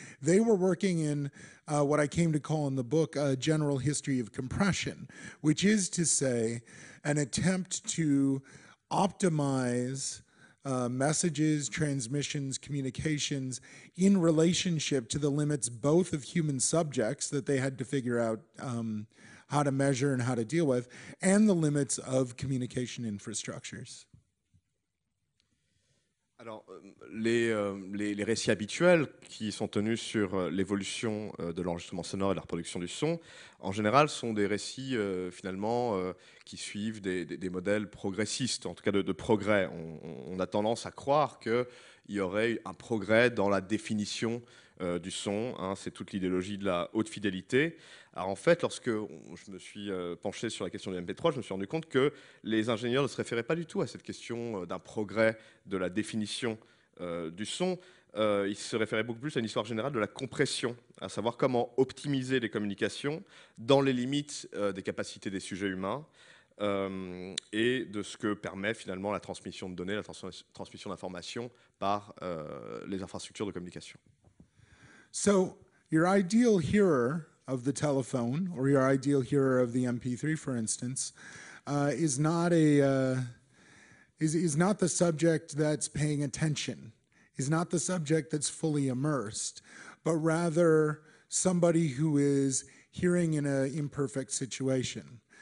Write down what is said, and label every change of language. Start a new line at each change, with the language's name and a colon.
English: They were working in what I came to call in the book a general history of compression, which is to say an attempt to optimize messages, transmissions, communications in relationship to the limits both of human subjects that they had to figure out how to measure and how to deal with, and the limits of communication infrastructures.
French: Alors, les récits habituels qui sont tenus sur l'évolution de l'enregistrement sonore et la reproduction du son, en général, sont des récits qui suivent des modèles progressistes, en tout cas de progrès. On a tendance à croire qu'il y aurait un progrès dans la définition du son. Hein, c'est toute l'idéologie de la haute fidélité. Alors, en fait, lorsque je me suis penché sur la question du MP3, je me suis rendu compte que les ingénieurs ne se référaient pas du tout à cette question d'un progrès de la définition du son. il se référait beaucoup plus à une histoire générale de la compression, à savoir comment optimiser les communications dans les limites des capacités des sujets humains et de ce que permet finalement la transmission de données, la transmission d'informations par les infrastructures de communication.
English: So, your ideal hearer of the telephone, or your ideal hearer of the MP3, for instance, is not the subject that's paying attention, is not the subject that's fully immersed, but rather somebody who is hearing in an imperfect situation.